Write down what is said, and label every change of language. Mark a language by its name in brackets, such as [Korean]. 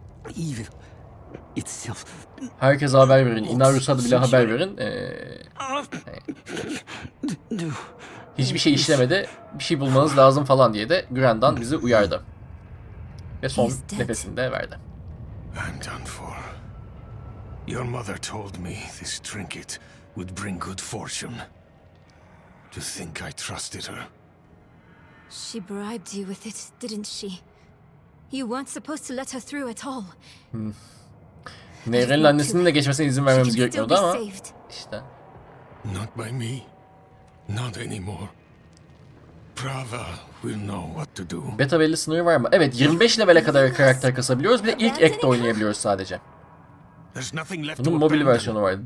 [English] Evil itself. [Turkish] Herkese haber verin. Inarius'a da bile haber verin. Hiçbir şey işlemedi. Bir şey bulmanız lazım falan diye de Grandan bizi uyardı. Ve son nefesini de verdi. [English] I'm done for. Your mother told me this trinket would bring good fortune. To think I trusted her. She bribed you with it, didn't she? You weren't supposed to let her through at all. [Turkish] Nehren'in annesinin de geçmesine izin vermemiz gerekiyordu ama işte. [English] Not by me. Not anymore. Prava will know what to do. [Turkish] Beta belli sınırı var mı? Evet, 25 level'e kadar karakter kasabiliyoruz. Bir de ilk act'te oynayabiliyoruz sadece. Bunun mobil versiyonu var.